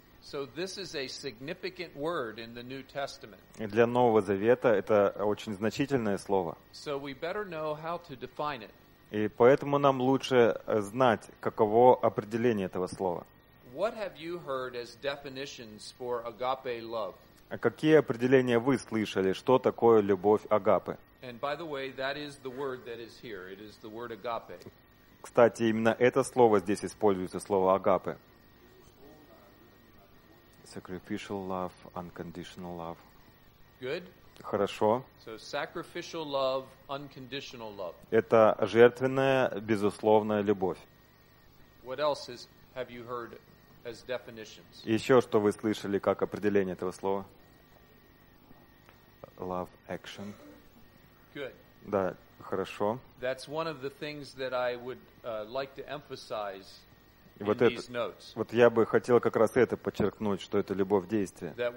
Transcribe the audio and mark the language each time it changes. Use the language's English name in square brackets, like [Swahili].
[English] So this is a significant word in the New Testament. [Russian] И для Нового Завета это очень значительное слово. [English] So we better know how to define it. [Russian] И поэтому нам лучше знать, каково определение этого слова. [English] What have you heard as definitions for agape love? [Russian] А какие определения вы слышали, что такое любовь агапы? [English] And by the way, that is the word that is here. It is the word agape. [Russian] Кстати, именно это слово здесь используется, слово агапы. [English] Sacrificial love, unconditional love. Good. [Russian] Хорошо. [English] So sacrificial love, unconditional love. [Russian] Это жертвенная, безусловная любовь. [English] What else have you heard as definitions? [Russian] Еще что вы слышали как определение этого слова? [English] Love action. Good. [Russian] Да, хорошо. [English] That's one of the things that I would like to emphasize [Russian] И вот это, [English] notes, [Russian] вот я бы хотел как раз это подчеркнуть, что это любовь действия.